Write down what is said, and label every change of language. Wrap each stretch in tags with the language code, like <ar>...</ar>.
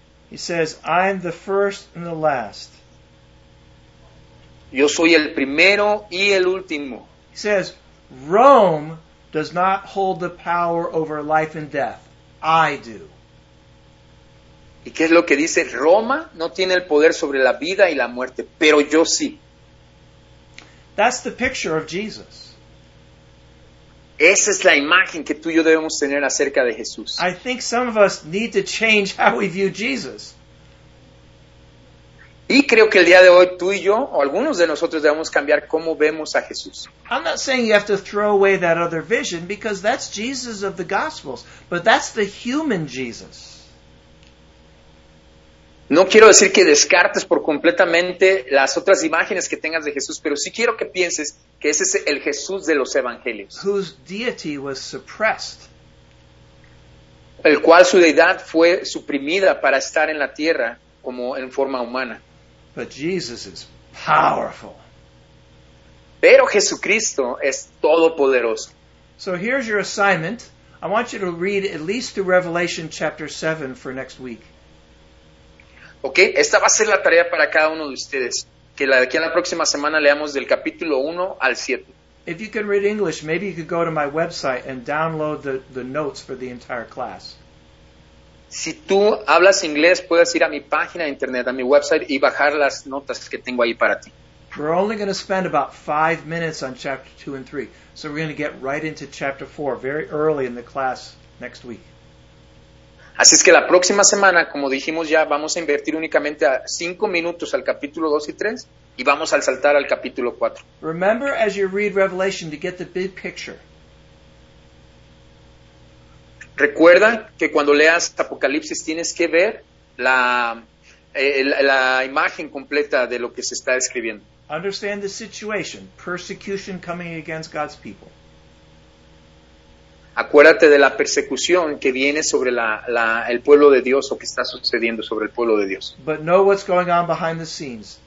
<en>He says, I'm the first and the last.</en> <es>Yo soy el primero y el último.</es> <en>He says, Rome does not hold the power over life and death. I do.</en> <es>¿Y qué es lo que dice? Roma no tiene el poder sobre la vida y la muerte, pero yo sí.</es> <en>That's the picture of Jesus.</en> <es>Esa es la imagen que tú y yo debemos tener acerca de Jesús.</es> <en>I think some of us need to change how we view Jesus.</en> <es>Y creo que el día de hoy tú y yo, o algunos de nosotros, debemos cambiar cómo vemos a Jesús.</es> <en>I'm not saying you have to throw away that other vision, because that's Jesus of the Gospels, but that's the human Jesus.</en> <es>No quiero decir que descartes por completamente las otras imágenes que tengas de Jesús, pero sí quiero que pienses que ese es el Jesús de los evangelios.</es> <en>Whose deity was suppressed.</en> <es>El cual su deidad fue suprimida para estar en la tierra como en forma humana.</es> <en>But Jesus is powerful.</en> <es>Pero Jesucristo es todopoderoso.</es> <en>So here's your assignment. I want you to read at least to Revelation chapter 7 for next week.</en> <es>Okay, esta va a ser la tarea para cada uno de ustedes. Que la de aquí en la próxima semana leamos del capítulo 1 al 7.</es> <en>If you can read English, maybe you could go to my website and download the notes for the entire class.</en> <es>Si tú hablas inglés, puedes ir a mi página de internet, a mi website, y bajar las notas que tengo ahí para ti.</es> <en>We're only going to spend about 5 minutes on chapter 2 and 3. So we're going to get right into chapter 4 very early in the class next week.</en> <es>Así es que la próxima semana, como dijimos ya, vamos a invertir únicamente 5 minutos al capítulo 2 y 3 y vamos a saltar al capítulo 4.</es> <en>Remember as you read Revelation to get the big picture.</en> <es>Recuerda que cuando leas Apocalipsis tienes que ver la imagen completa de lo que se está escribiendo.</es> <en>Understand the situation, persecution coming against God's people.</en> <es>Acuérdate de la persecución que viene sobre el pueblo de Dios o que está sucediendo sobre el pueblo de Dios.</es> <en>But know what's going on behind the scenes.</en>